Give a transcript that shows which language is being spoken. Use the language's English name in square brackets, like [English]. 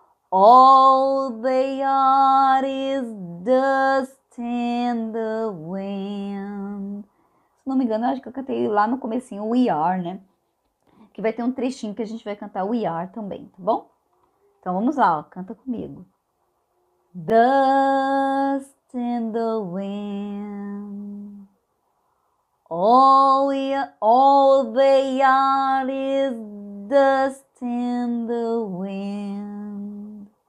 [English] All they are is dust in the wind. [Portuguese] Se não me engano, eu acho que eu cantei lá no comecinho We Are, né? Que vai ter um trechinho que a gente vai cantar We Are também, tá bom? Então vamos lá, ó, canta comigo. [English] Dust in the wind, all they are is dust in the wind.